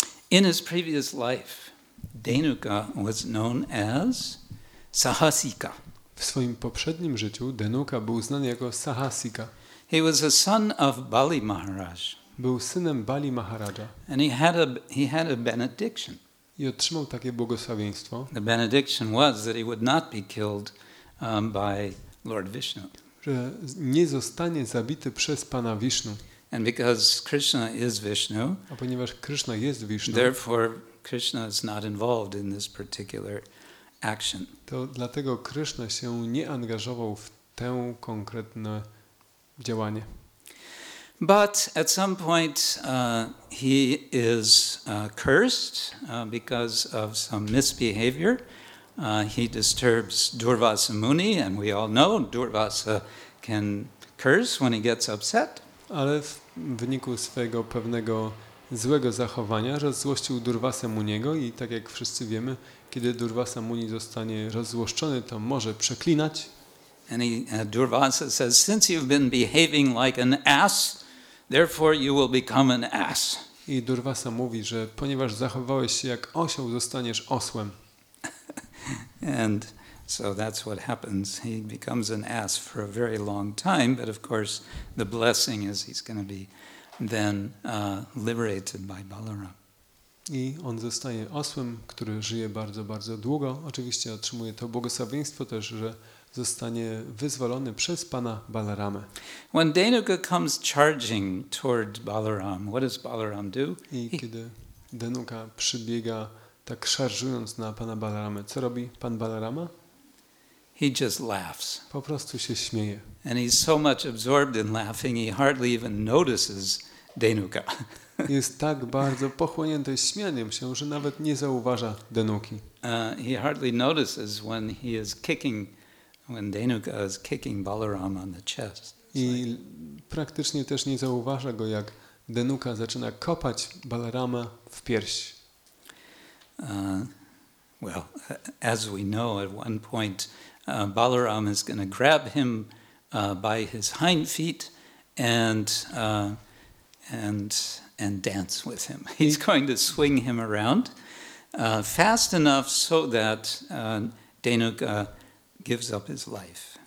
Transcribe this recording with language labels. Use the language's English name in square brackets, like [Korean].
[English] In his previous life, Denuka was known as Sahasika. [Polish] W swoim poprzednim życiu Denuka był znany jako Sahasika. [English] He was a son of Bali Maharaj. [Polish] Był synem Bali Maharaja. [English] And he had a benediction. [Polish] I otrzymał takie błogosławieństwo. [English] The benediction was that he would not be killed by Lord Vishnu. [Polish] Że nie zostanie zabity przez Pana Vishnu. [English] And because Krishna is Vishnu, [Polish] a ponieważ Krishna jest Vishnu, [English] therefore Krishna is not involved in this particular action. [Polish] To dlatego Krishna się nie angażował w tę konkretne działanie. [English] But at some point he is cursed because of some misbehavior. He disturbs Durvasa Muni, and we all know Durvasa can curse when he gets upset. [Polish] Ale w wyniku swojego pewnego złego zachowania rozzłościł Durvasę Muniego i tak jak wszyscy wiemy, kiedy Durvasa Muni zostanie rozzłoszczony, to może przeklinać. [English] And Durvasa says, since you've been behaving like an ass, therefore you will become an ass. [Polish] I Durvasa mówi, że ponieważ zachowałeś się jak osioł, zostaniesz osłem. [English] And so that's what happens. He becomes an ass for a very long time, but of course the blessing is he's going to be then liberated by Balaram. [Polish] I on zostaje osłem, który żyje bardzo, bardzo długo. Oczywiście otrzymuje to błogosławieństwo też, że zostanie wyzwolony przez pana Balarama. [English] When Denuka comes charging toward Balaram, what does Balaram do? [Polish] I kiedy Denuka przybiega tak szarżując na pana Balaramę, co robi pan Balarama? [English] He just laughs. [Polish] Po prostu się śmieje. [English] And he's so much absorbed in laughing, he hardly even notices Denuka. [Polish] Jest tak bardzo pochłonięty śmianiem się, że nawet nie zauważa Denuki. [English] He hardly notices when he is kicking, when Denuka is kicking Balaram on the chest. [Polish] I praktycznie też nie zauważa go, jak Denuka zaczyna kopać Balarama w pierś. [English] Well, as we know, at one point Balaram is going to grab him by his hind feet and dance with him. He's going to swing him around fast enough so that Denuka gives up his life.